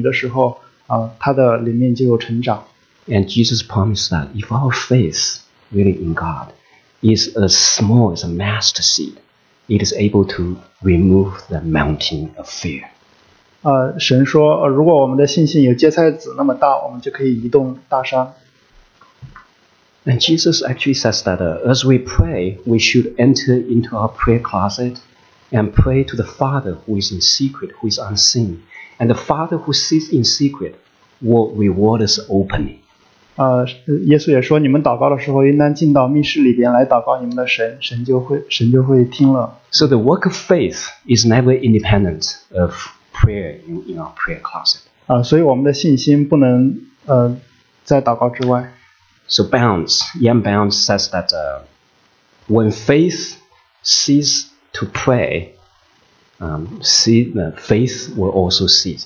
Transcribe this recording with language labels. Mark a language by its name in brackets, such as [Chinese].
[Chinese] 他向神倾心吐意，他这些挣扎、这些不容易的时候，他的灵命就有成长。 [English] And Jesus promised that if our faith really in God is as small as a mustard seed, it is able to remove the mountain of fear. [Chinese] 神说，如果我们的信心有芥菜籽那么大，我们就可以移动大山。 [English] And Jesus actually says that as we pray, we should enter into our prayer closet and pray to the Father who is in secret, who is unseen. And the Father who sits in secret will reward us openly. [Chinese] 耶稣也说，你们祷告的时候，应当进到密室里边来祷告你们的神，神就会听了。 [English] So the work of faith is never independent of prayer in our prayer closet. [Chinese] 所以我们的信心不能在祷告之外。 [English] So Bounds, Ian Bounds says that when faith ceases to pray, faith will also cease.